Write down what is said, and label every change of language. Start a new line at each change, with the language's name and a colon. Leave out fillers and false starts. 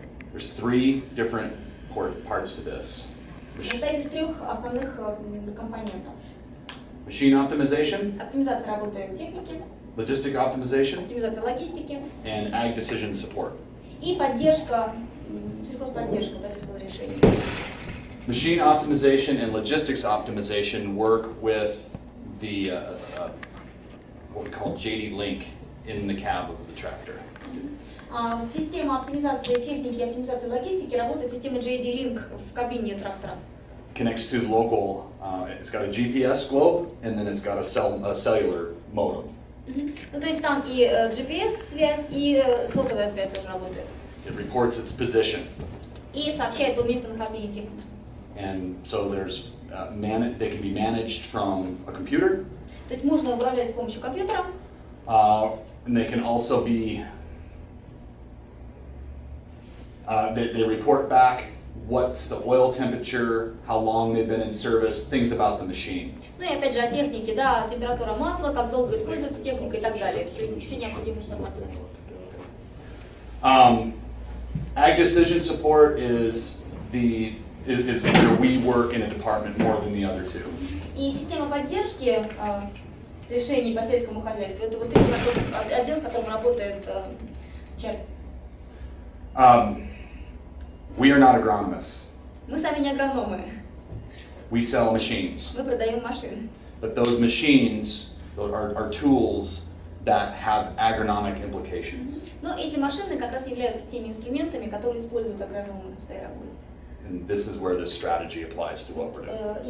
English: There's three different parts to this.
Russian: Состоит из трех основных компонентов.
English: Machine optimization.
Russian: Оптимизация работы техники.
English: Logistic optimization.
Russian: Оптимизация логистики.
English: And ag decision support.
Russian: И поддержка, сельхозподдержка, то есть это решение.
English: Machine optimization and logistics optimization work with the what we call JD Link in the cab of the tractor.
Russian: Система оптимизации техники и оптимизации логистики работает система JD Link в кабине трактора.
English: Connects to local, it's got a GPS globe, and then it's got a cellular modem. Mm-hmm.
Russian: Ну, то есть там и GPS связь, и сотовая связь тоже работает.
English: It reports its position.
Russian: И сообщает о местонахождении техники.
English: And so there's they can be managed from a computer.
Russian: То есть можно управлять с помощью компьютера.
English: And they can also be they report back what's the oil temperature, how long they've been in service, things about the machine.
Russian: Ну и опять же о технике, да, температура масла, как долго используется техника и так далее. Все необходимые информации.
English: Ag decision support is where we work in a department more than the other two.
Russian: И система поддержки решений по сельскому хозяйству, это вот именно тот отдел, в котором работает Чарли.
English: We are not agronomists.
Russian: Мы сами не агрономы.
English: We sell machines.
Russian: Мы продаем машины.
English: But those machines are tools that have agronomic implications.
Russian: Но эти машины как раз являются теми инструментами, которые используют агрономы в своей работе.
English: And this is where this strategy applies to what we're doing.